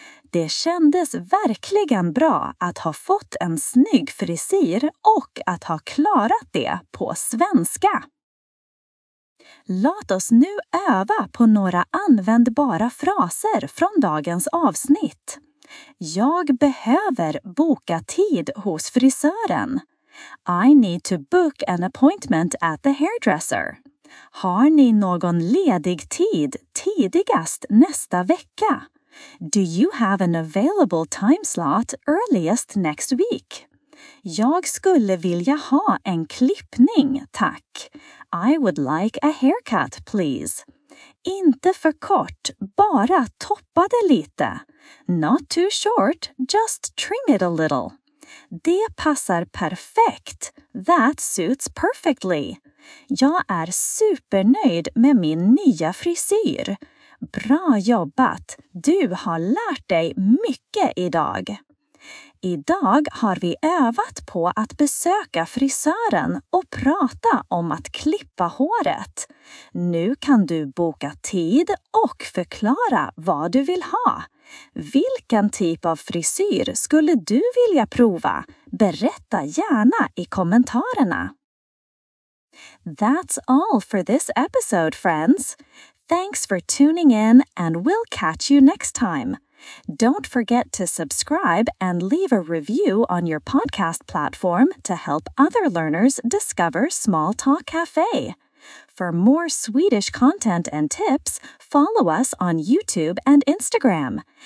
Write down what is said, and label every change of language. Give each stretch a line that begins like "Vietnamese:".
Swedish: Det kändes verkligen bra att ha fått en snygg frisyr och att ha klarat det på svenska. Låt oss nu öva på några användbara fraser från dagens avsnitt. Jag behöver boka tid hos frisören.
English: I need to book an appointment at the hairdresser.
Swedish: Har ni någon ledig tid tidigast nästa vecka?
English: Do you have an available time slot earliest next week?
Swedish: Jag skulle vilja ha en klippning, tack.
English: I would like a haircut, please.
Swedish: inte för kort, bara toppa det lite.
English: Not too short, just trim it a little.
Swedish: Det passar perfekt.
English: That suits perfectly.
Swedish: Jag är supernöjd med min nya frisyr. Bra jobbat! Du har lärt dig mycket idag. Idag har vi övat på att besöka frisören och prata om att klippa håret. Nu kan du boka tid och förklara vad du vill ha. Vilken typ av frisyr skulle du vilja prova? Berätta gärna i kommentarerna.
English: That's all for this episode, friends. Thanks for tuning in and we'll catch you next time. Don't forget to subscribe and leave a review on your podcast platform to help other learners discover Small Talk Cafe. For more Swedish content and tips, follow us on YouTube and Instagram.